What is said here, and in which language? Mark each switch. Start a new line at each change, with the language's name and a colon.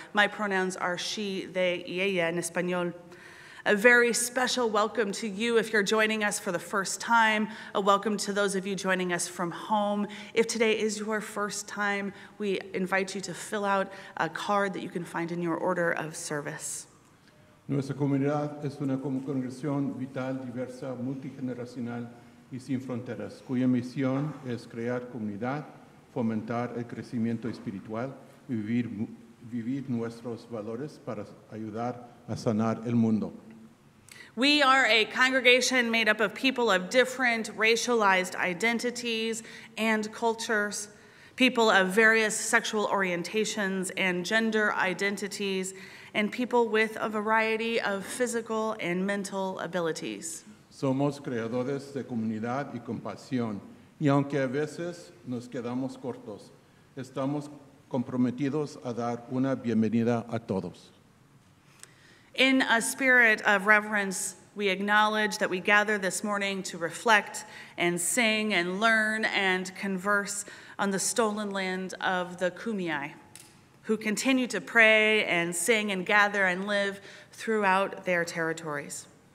English: My pronouns are she, they,
Spanish: y ella
English: in Espanol. A very special welcome to you if you're joining us for the first time. A welcome to those of you joining us from home. If today is your first time, we invite you to fill out a card that you can find in your order of service.
Spanish: Nuestra comunidad es una congregación vital, diversa, multigeneracional y sin fronteras, cuya misión es crear comunidad, fomentar el crecimiento espiritual, vivir nuestros valores para ayudar a sanar el mundo.
English: We are a congregation made up of people of different racialized identities and cultures, people of various sexual orientations and gender identities, and people with a variety of physical and mental abilities.
Spanish: Somos creadores de comunidad y compasión, y aunque a veces nos quedamos cortos, estamos comprometidos a dar una bienvenida a todos.
English: In a spirit of reverence, We acknowledge that we gather this morning to reflect and sing and learn and converse on the stolen land of the Kumeyaay, who continue to pray and sing and gather and live throughout their territories.